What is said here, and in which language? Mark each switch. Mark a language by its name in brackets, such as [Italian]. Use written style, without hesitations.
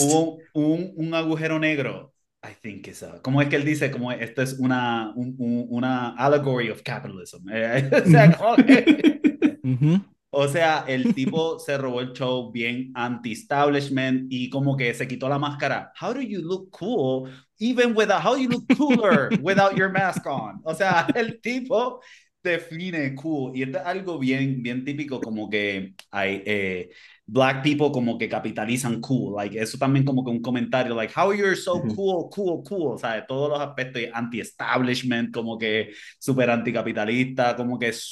[Spanish] hubo un agujero negro. [English] I think it's a, [Spanish] ¿cómo es que él dice? Como esto es una [English] allegory of capitalism. [Spanish] O sea, ¿cómo que? O sea, el tipo se robó el show bien anti-establishment y como que se quitó la máscara. [English] How do you look cool even without, how do you look cooler without your mask on? [Spanish] O sea, el tipo define cool. Y esto es algo bien, bien típico, como que hay [English] Black people [Spanish] como que capitalizan cool, like eso también como que un comentario, [English] like how you're so cool, [Spanish] o sea, de todos los aspectos, anti-establishment, como que súper anticapitalista, como que